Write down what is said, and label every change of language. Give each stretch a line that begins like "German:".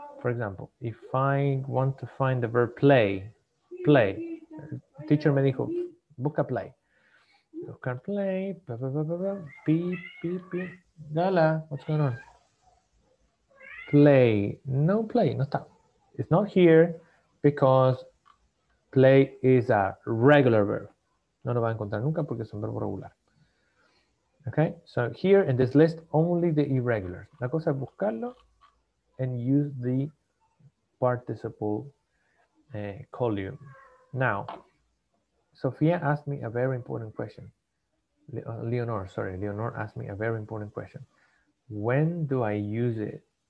English: for example, if I want to find the verb play, play, teacher
Spanish: me dijo, busca
English: play. You can play, blah, blah, blah, blah, blah. Beep, beep, beep. Gala, what's going on? Play, no play, no stop. It's not here because play is a regular verb.
Spanish: No lo va a encontrar nunca porque es un verbo regular.
English: Okay, so here in this list, only the irregulars.
Spanish: La cosa es buscarlo
English: and use the participle column. Now, Sofia asked me a very important question. Leonor asked me a very important question. When do I use it?